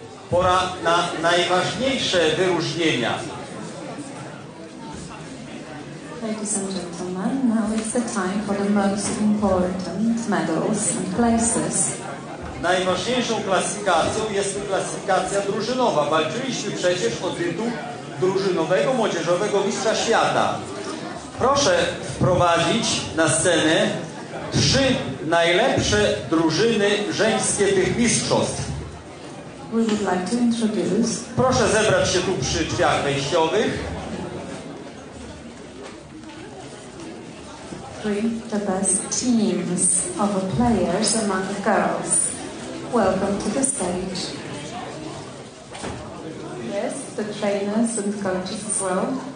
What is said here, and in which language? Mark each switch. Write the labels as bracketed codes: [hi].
[pl] Pora na najważniejsze wyróżnienia. [en] Ladies and gentlemen, now is the time for the most important medals and places. [pl] Najważniejszą klasyfikacją jest klasyfikacja drużynowa. Walczyliśmy przecież o tytuł drużynowego młodzieżowego mistrza świata. Proszę wprowadzić na scenę trzy najlepsze drużyny żeńskie tych mistrzostw. [en] We would like to introduce. [pl] Proszę zebrać się tu przy drzwiach wejściowych. [en] Three the best teams of players among the girls. Welcome to the stage. Yes, the trainers and coaches as well.